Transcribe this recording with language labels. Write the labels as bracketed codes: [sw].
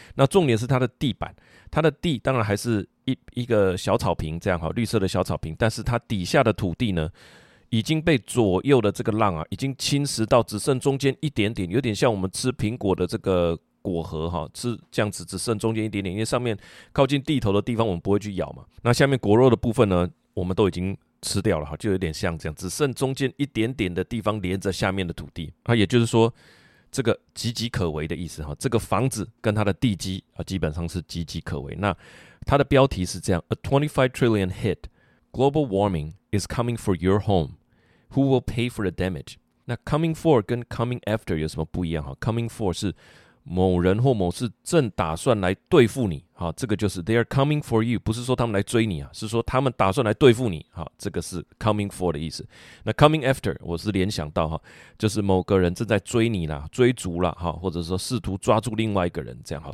[zh] 那重点是它的地板，它的地当然还是一个小草坪这样，绿色的小草坪，但是它底下的土地呢已经被左右的这个浪已经侵蚀到只剩中间一点点，有点像我们吃苹果的这个果核吃这样子，只剩中间一点点，因为上面靠近地头的地方我们不会去咬嘛。那下面果肉的部分呢我们都已经吃掉了，就有点像这样，只剩中间一点点的地方连着下面的土地，也就是说这个岌岌可危的意思，这个房子跟它的地基基本上是岌岌可危。那它的标题是这样 [en] A $25 trillion hit Global warming is coming for your home Who will pay for the damage? [zh] 那 coming for 跟 coming after 有什么不一样？Coming for 是某人或某事正打算来对付你，这个就是 [en] They are coming for you， [zh] 不是说他们来追你，是说他们打算来对付你，这个是 coming for 的意思。那 coming after 我是联想到就是某个人正在追你啦，追逐啦，或者说试图抓住另外一个人这样。